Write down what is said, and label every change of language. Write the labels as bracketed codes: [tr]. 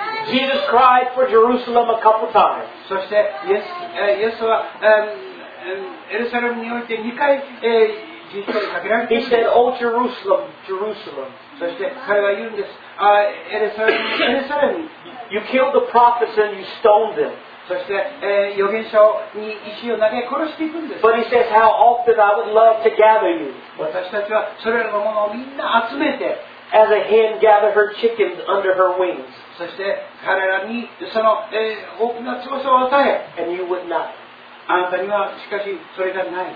[en] Jesus cried for Jerusalem a couple times. [ja] そしてイエス、イエスはエルサレムにおいて2回実際にかけられている。 [en] He said, Oh Jerusalem, Jerusalem. [ja] そして彼は言うんです、エルサレム、エルサレム。 [en] You killed the prophets and you stoned them. [ja] そして、預言者に石を投げ殺していくんです。 [en] But he says, How often I would love to gather you. [ja] 私たちはそれらのものをみんな集めて、 [en] As a hen gathered her chickens under her wings. [ja] そして彼らにその、大きな翼を与え。 [en] And you would not. [ja] あなたにはしかしそれがない。